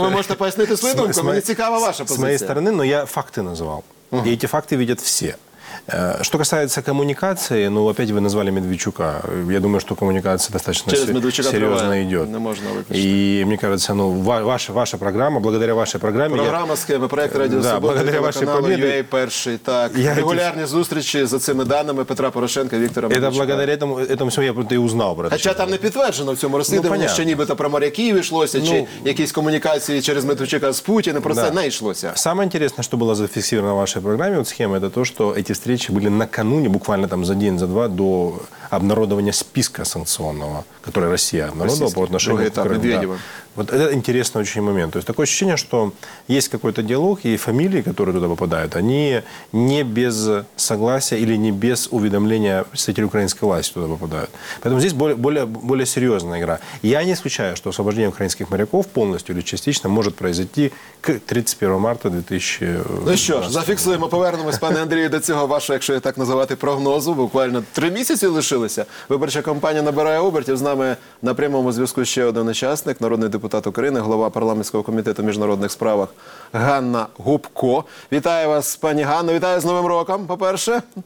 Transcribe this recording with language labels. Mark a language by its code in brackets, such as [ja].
[uk] Ви можете пояснити свою думку, мені цікава ваша позиція. З моєї сторони, но я факти назвав. І ці факти видять всі. [ru] Что касается коммуникации, ну, опять вы назвали Медведчука. Я думаю, что коммуникация достаточно серьезно идет. Не можно выключить. И мне кажется, ну, ваша программа, благодаря вашей программе... Программа «Схема», проект «Радио Свобода», благодаря вашей победе. UA перший, так. Регулярные встречи за этими данными Петра Порошенко, Виктора Медведчука. Это благодаря этому всему я просто и узнал про это. Хотя там не подтверждено в этом расследовании, что нібито про моряки вышлося, или какие-то коммуникации через Медведчука с Путиным, [uk] просто не йшлося. [ru] Самое интересное, что было зафиксировано в вашей программе, вот схема, это то, что эти встречи были накануне, буквально там за день, за два, до обнародования списка санкционного, который Россия обнародовала по отношению к Крыму. Да. Вот это интересный очень момент. То есть такое ощущение, что есть какой-то диалог, и фамилии, которые туда попадают, они не без согласия или не без уведомления представителей украинской власти туда попадают. Поэтому здесь более серьезная игра. Я не исключаю, что освобождение украинских моряков полностью или частично может произойти к 31 марта 2020. [uk] Ну что ж, зафиксуем, повернемся, пане Андрію, до цього вашого, якщо я так називати, прогнозу. Буквально 3 місяці лишилися. Виборча кампанія набирає обертів. З нами на прямому зв'язку ще один учасник, народний депутат України, голова парламентського комітету міжнародних справах Ганна Гупко. Вітаю вас, пані Ганно. Вітаю з Новим роком, по-перше.